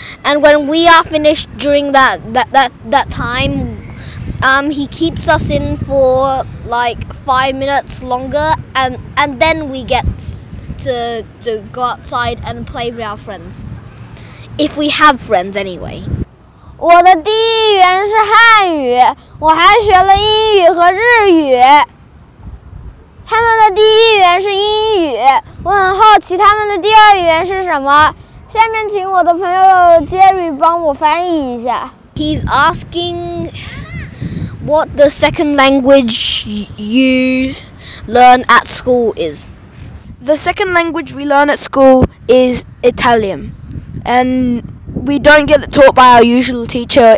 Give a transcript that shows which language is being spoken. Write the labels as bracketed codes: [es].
[en] And when we are finished during that time, he keeps us in for like 5 minutes longer. And then we get to go outside and play with our friends. If we have friends anyway. [zh] 我的第一语言是汉语，我还学了英语和日语。他们的第一语言是英语，我很好奇他们的第二语言是什么。下面请我的朋友 Jerry 帮我翻译一下。 [en] He's asking what the second language you learn at school is. The second language we learn at school is Italian. And we don't get it taught by our usual teacher.